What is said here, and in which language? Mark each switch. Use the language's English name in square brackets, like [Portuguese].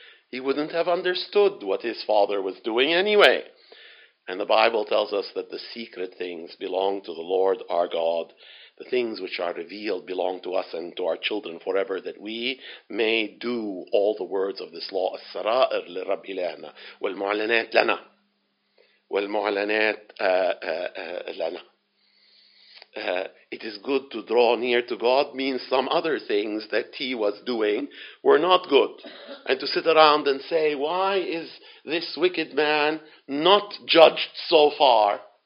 [English] He wouldn't have understood what his father was doing anyway. And the Bible tells us that the secret things belong to the Lord our God. The things which are revealed belong to us and to our children forever, that we may do all the words of this law. [Arabic] السرائر لرب إلهنا والمعلنات لنا. والمعلنات لنا. [English] It is good to draw near to God means some other things that he was doing were not good. And to sit around and say, why is this wicked man not judged so far?